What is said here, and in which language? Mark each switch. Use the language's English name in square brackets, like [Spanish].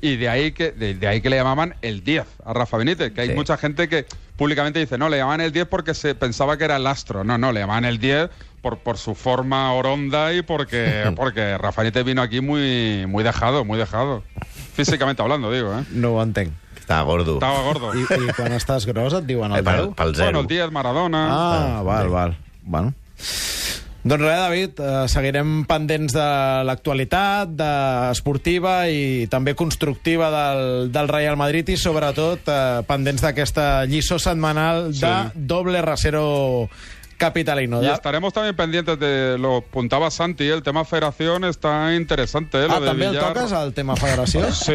[Spanish] I de ahí que le llamaban el 10 a Rafa Benítez, que hay mucha gente que públicamente dice, no, le llamaban el 10 porque se pensaba que era el astro. No, le llamaban el 10 por su forma oronda y porque Rafa Benítez vino aquí muy, muy dejado, muy dejado. Físicamente hablando, digo, ¿eh? [Catalan] No ho entenc. Estava gordo. I quan estàs gros et diuen el 10? Pel 0. Bueno, el 10, Maradona. Val. Bueno. Doncs res, David, seguirem pendents de l'actualitat, esportiva i també constructiva del Real Madrid i sobretot pendents d'aquesta lliçó setmanal de [Spanish] doble rasero capitalino. Y estaremos también pendientes de lo apuntaba Santi, el tema federación está interesante. Ah, lo ¿también de Villar... el tocas al tema federación?